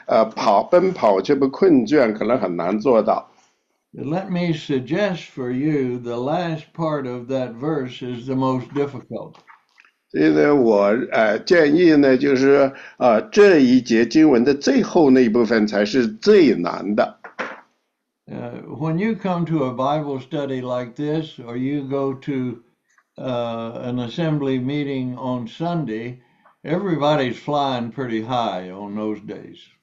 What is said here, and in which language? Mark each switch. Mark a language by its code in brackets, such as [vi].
[zh] 所以你可能呢认为呢，就是说是像鹰那样展翅飞腾，跑奔跑却不困倦，可能很难做到。 [en] Let me suggest for you the last part of that verse is the most difficult. [zh] 所以呢，我建议呢，就是这一节经文的最后那一部分才是最难的。 [en] When you come to a Bible study like this, or you go to an assembly meeting on Sunday, everybody's flying pretty high on those days.